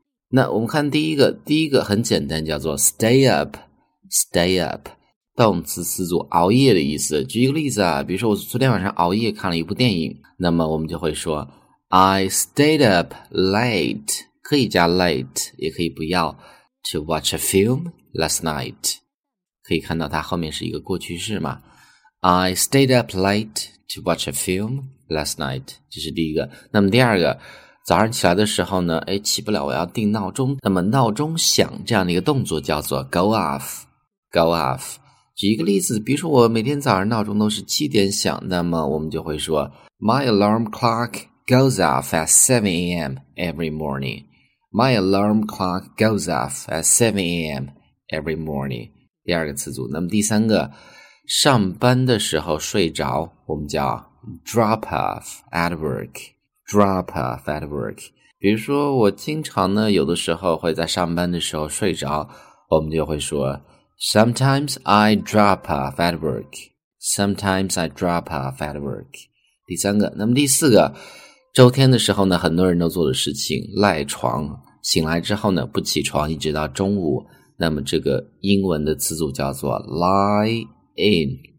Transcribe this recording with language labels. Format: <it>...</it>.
<zh>那我们看第一个很简单，叫做 stay up, 动词词组熬夜的意思。举一个例子啊，比如说我昨天晚上熬夜看了一部电影，那么我们就会说</zh> <en>I stayed up late,</en> <zh>可以加 late 也可以不要，</zh> <en>to watch a film last night,</en> <zh>可以看到它后面是一个过去式嘛。</zh> <en>I stayed up late to watch a film last night.</en> <zh>这是第一个。那么第二个，早上起来的时候呢，哎，起不了，我要定闹钟。那么闹钟响这样的一个动作叫做 go off, go off. 举一个例子，比如说我每天早上闹钟都是七点响，那么我们就会说</zh> <en>My alarm clock goes off at 7 a.m. every morning. My alarm clock goes off at 7 a.m. every morning.</en> <zh>第二个词组。那么第三个，上班的时候睡着，我们叫 drop off at work, drop off at work. 比如说我经常呢有的时候会在上班的时候睡着，我们就会说</zh> <en>Sometimes I drop off at work, sometimes I drop off at work.</en> <zh>第三个，那么第四个，周天的时候呢很多人都做的事情，赖床，醒来之后呢不起床一直到中午，那么这个英文的词组叫做 lie in.</zh>